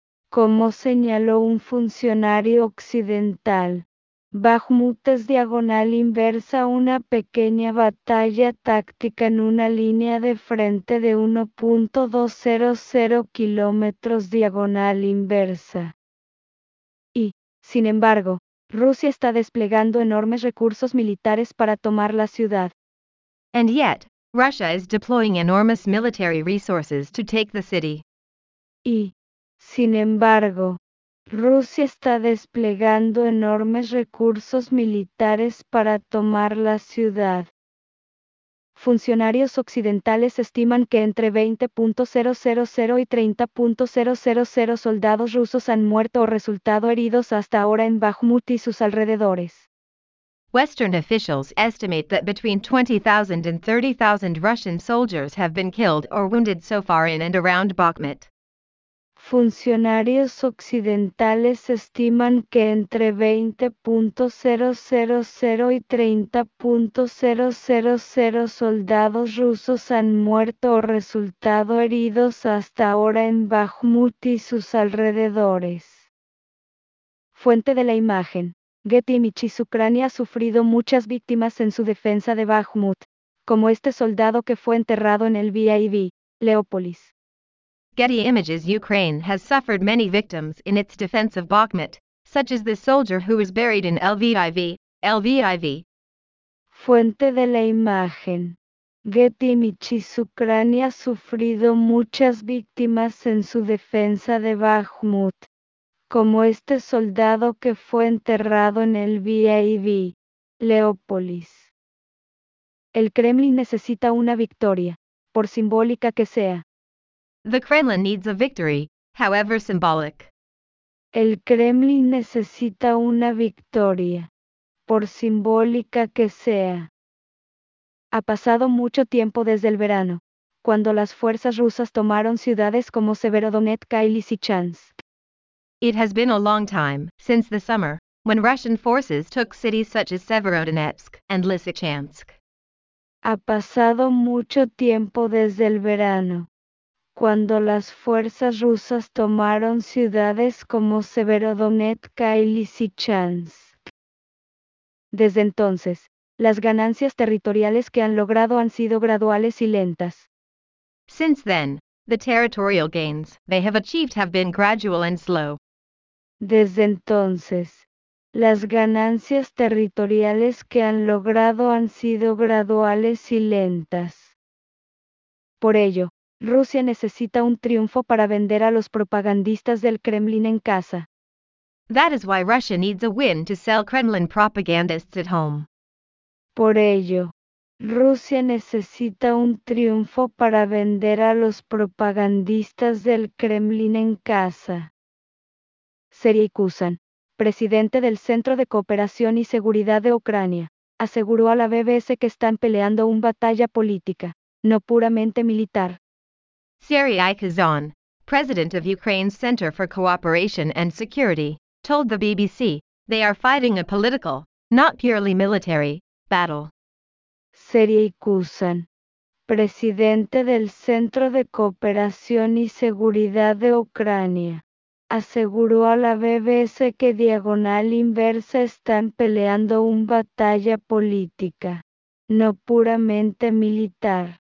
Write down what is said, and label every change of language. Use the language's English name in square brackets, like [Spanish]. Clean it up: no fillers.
[Spanish] Como señaló un funcionario occidental, Bakhmut es diagonal inversa una pequeña batalla táctica en una línea de frente de 1.200 kilómetros diagonal inversa. Y, sin embargo, Rusia está desplegando enormes recursos militares para tomar la ciudad. [English] And yet, Russia is deploying enormous military resources to take the city. [Spanish] Y, sin embargo, Rusia está desplegando enormes recursos militares para tomar la ciudad. Funcionarios occidentales estiman que entre 20.000 y 30.000 soldados rusos han muerto o resultado heridos hasta ahora en Bakhmut y sus alrededores. [English] Western officials estimate that between 20,000 and 30,000 Russian soldiers have been killed or wounded so far in and around Bakhmut. [Spanish] Funcionarios occidentales estiman que entre 20.000 y 30.000 soldados rusos han muerto o resultado heridos hasta ahora en Bakhmut y sus alrededores. Fuente de la imagen. Getty Images. Ucrania ha sufrido muchas víctimas en su defensa de Bakhmut, como este soldado que fue enterrado en el VIV, Leópolis. Getty Images. [English] Ukraine has suffered many victims in its defense of Bakhmut, such as this soldier who was buried in LVIV, LVIV. [Spanish] Fuente de la imagen. Getty Images. Ucrania ha sufrido muchas víctimas en su defensa de Bakhmut, como este soldado que fue enterrado en el VIV, Leópolis. El Kremlin necesita una victoria, por simbólica que sea. [English] The Kremlin needs a victory, however symbolic. [Spanish] El Kremlin necesita una victoria, por simbólica que sea. Ha pasado mucho tiempo desde el verano, cuando las fuerzas rusas tomaron ciudades como Severodonetsk y Lysychansk. [English] It has been a long time, since the summer, when Russian forces took cities such as Severodonetsk and Lysychansk. [Spanish] Ha pasado mucho tiempo desde el verano, cuando las fuerzas rusas tomaron ciudades como Severodonetsk y Lysychansk. Desde entonces, las ganancias territoriales que han logrado han sido graduales y lentas. [English] Since then, the territorial gains they have achieved have been gradual and slow. [Spanish] Desde entonces, las ganancias territoriales que han logrado han sido graduales y lentas. Por ello, Rusia necesita un triunfo para vender a los propagandistas del Kremlin en casa. [English] That is why Russia needs a win to sell Kremlin propagandists at home. [Spanish] Por ello, Rusia necesita un triunfo para vender a los propagandistas del Kremlin en casa. Sergei Kuzan, presidente del Centro de Cooperación y Seguridad de Ucrania, aseguró a la BBC que están peleando una batalla política, no puramente militar. [English] Sergei Kuzan, president of Ukraine's Center for Cooperation and Security, told the BBC, they are fighting a political, not purely military, battle. [Spanish] Sergei Kuzan, presidente del Centro de Cooperación y Seguridad de Ucrania, aseguró a la BBC que diagonal inversa están peleando una batalla política, no puramente militar.